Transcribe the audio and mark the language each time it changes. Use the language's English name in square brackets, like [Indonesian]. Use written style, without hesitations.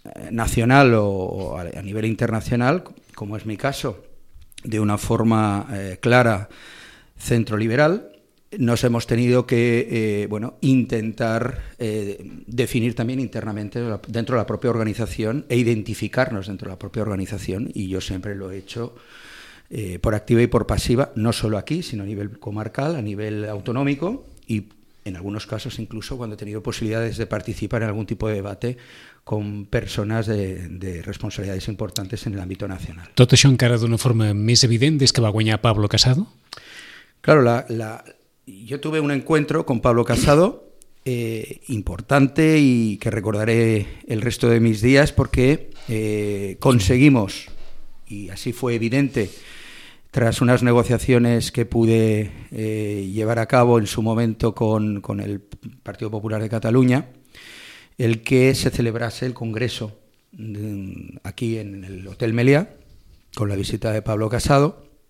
[Spanish] nacional o a nivel internacional, como es mi caso, de una forma clara centroliberal, nos hemos tenido que intentar definir también internamente dentro de la propia organización e identificarnos dentro de la propia organización, y yo siempre lo he hecho por activa y por pasiva, no solo aquí, sino a nivel comarcal, a nivel autonómico, y en algunos casos incluso cuando he tenido posibilidades de participar en algún tipo de debate con personas de responsabilidades importantes en el ámbito nacional. [Catalan] ¿Tot això encara d'una forma més evident des que va guanyar Pablo Casado? [Spanish] Claro, yo tuve un encuentro con Pablo Casado importante y que recordaré el resto de mis días porque conseguimos, y así fue evidente, tras unas negociaciones que pude llevar a cabo en su momento con el Partido Popular de Cataluña, el que se celebrase el Congreso aquí en el Hotel Meliá con la visita de Pablo Casado.